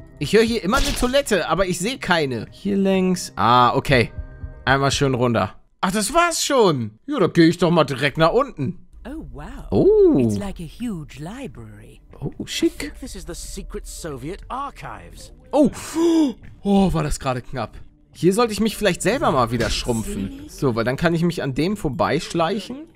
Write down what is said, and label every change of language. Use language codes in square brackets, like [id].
[de] Ich höre hier immer eine Toilette, aber ich sehe keine. Hier längs. Ah, okay. Einmal schön runter. Ach, das war's schon. Ja, da gehe ich doch mal direkt nach unten. [en] Oh, wow. Oh. It's like a huge library. Oh, schick. I think this is the secret Soviet archives. [de] Oh, war das gerade knapp. Hier sollte ich mich vielleicht selber mal wieder schrumpfen. So, weil dann kann ich mich an dem vorbeischleichen.